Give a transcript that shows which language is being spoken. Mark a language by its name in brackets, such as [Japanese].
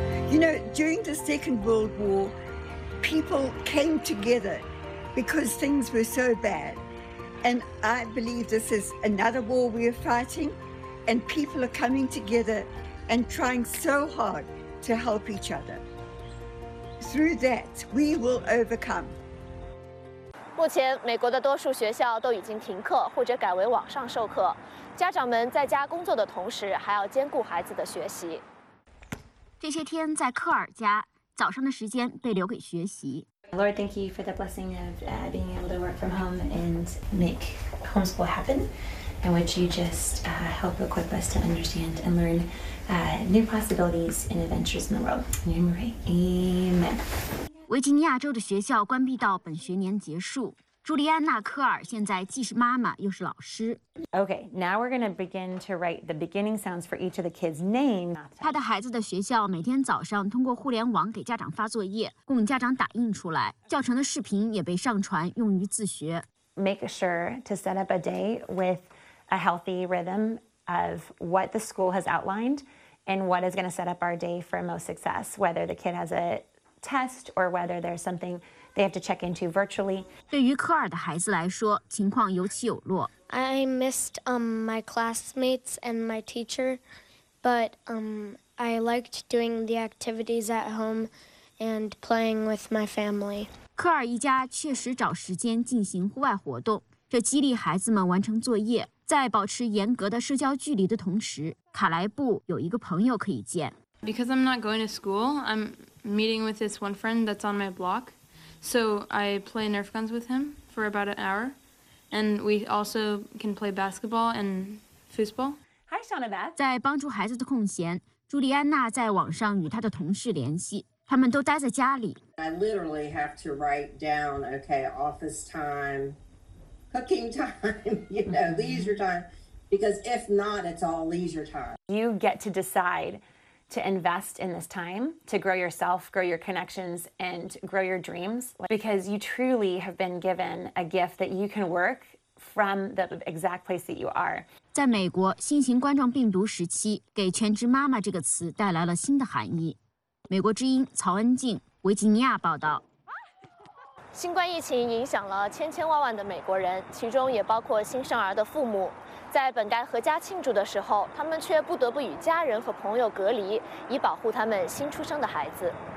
[English] You know, during the Second World War, people came together because things were so bad. And I believe this is another war we are fighting, and people are coming together and trying so hard to help each other. Through that, we will overcome. [Chinese] 目前美国的多数学校都已经停课或者改为网上授课，家长们在家工作的同时还要兼顾孩子的学习。这些天在科尔家，早上的时间被留给学习。 [English] Lord, thank you for the blessing of being able to work from home and make homeschool happen. And would you just help equip us to understand and learn new possibilities and adventures in the world. In your name, amen. [Chinese] 维吉尼亚州的学校关闭到本学年结束。朱莉安娜·科尔现在既是妈妈又是老师。 [English] Okay, now we're going to begin to write the beginning sounds for each of the kids' names. [Chinese] 她的孩子的学校每天早上通过互联网给家长发作业，供家长打印出来。教程的视频也被上传用于自学。 [English] Make sure to set up a day with a healthy rhythm of what the school has outlined and what is going to set up our day for most success, whether the kid has a test or whether there's something they have to check into virtually. [Chinese] 对于科尔的孩子来说，情况有起有落。 [English] I missed my classmates and my teacher, but I liked doing the activities at home and playing with my family. [Chinese] 科尔一家确实找时间进行户外活动，这激励孩子们完成作业。在保持严格的社交距离的同时，卡莱布有一个朋友可以见。 [English] Because I'm not going to school, I'm meeting with this one friend that's on my block. So I play Nerf guns with him for about an hour. And we also can play basketball and foosball. Hi, Shauna Beth. [Chinese] 在帮助孩子的空闲，朱莉安娜在网上与她的同事联系。他们都待在家里。 [English] I literally have to write down, okay, office time, cooking time, you know, leisure time. Because if not, it's all leisure time. You get to decide. To invest in this time, to grow yourself, grow your connections, and grow your dreams, because you truly have been given a gift that you can work from the exact place that you are. [Chinese] 在美国，新型冠状病毒时期，给全职妈妈这个词带来了新的含义。美国之音曹恩静，维吉尼亚报道。新冠疫情影响了千千万万的美国人，其中也包括新生儿的父母。在本该合家庆祝的时候，他们却不得不与家人和朋友隔离，以保护他们新出生的孩子。